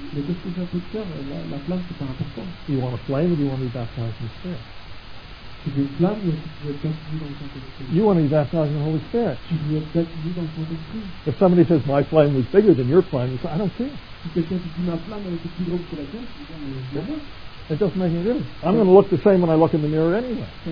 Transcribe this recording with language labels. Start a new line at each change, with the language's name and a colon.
French: Mais qu'est-ce que tu as pour toi? La flamme, c'est pas important.
English: You want a flame or you want to be baptized in the Spirit?
French: Tu veux une flamme ou tu veux être baptisé dans le Saint-Esprit?
English: You want to be baptized in the Holy Spirit.
French: Tu veux être baptisé dans le Saint-Esprit.
English: If somebody says, my flame was bigger than your flame, you say, I don't care.
French: Si quelqu'un te dit, ma flamme était plus grande que la tienne, tu dis, mais je m'en fous.
English: It doesn't make any difference. I'm going to look the same when I look in the mirror anyway.